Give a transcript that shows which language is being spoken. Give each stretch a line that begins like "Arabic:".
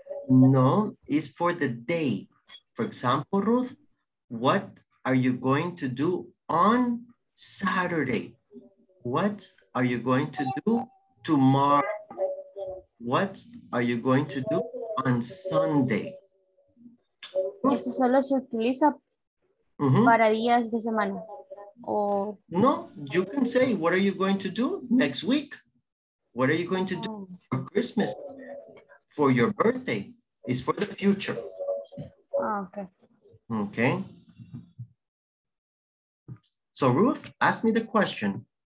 English: No, it's for the day. For example, Ruth, what are you going to do on Saturday? What are you going to do tomorrow? What are you going to do on Sunday?
Spanish: Eso solo se utiliza para días de semana.
English: No, you can say, what are you going to do next week? What are you going to do for Christmas? For your birthday? It's for the future. Okay. So Ruth, ask me the question.